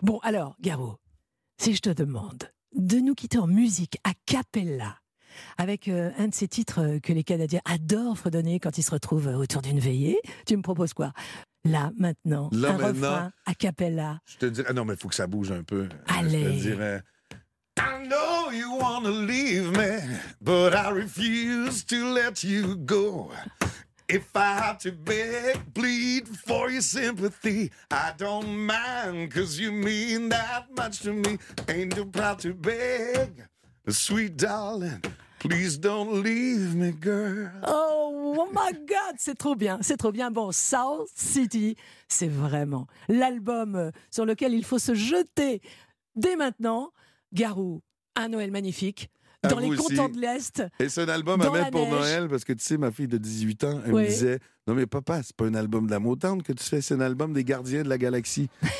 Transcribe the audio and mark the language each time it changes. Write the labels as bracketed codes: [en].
[fr] Bon, alors, Garou, si je te demande de nous quitter en musique a cappella, avec un de ces titres que les Canadiens adorent fredonner quand ils se retrouvent autour d'une veillée, tu me proposes quoi? Là, maintenant, là, un maintenant, refrain a cappella. Je te dirais, non, mais il faut que ça bouge un peu. Allez. Je te dirais, [en] I know you wanna leave me, but I refuse to let you go. If I had to beg, plead for your sympathy, I don't mind, cause you mean that much to me. Ain't too proud to beg, sweet darling. Please don't leave me, girl. [fr] Oh my God, c'est trop bien, c'est trop bien. Bon, Soul City, c'est vraiment l'album sur lequel il faut se jeter dès maintenant. Garou, un Noël magnifique dans les contrées de l'Est. Et c'est un album à mettre pour Noël parce que tu sais, ma fille de 18 ans, elle me disait, non mais papa, c'est pas un album de la Motown que tu fais, c'est un album des Gardiens de la Galaxie.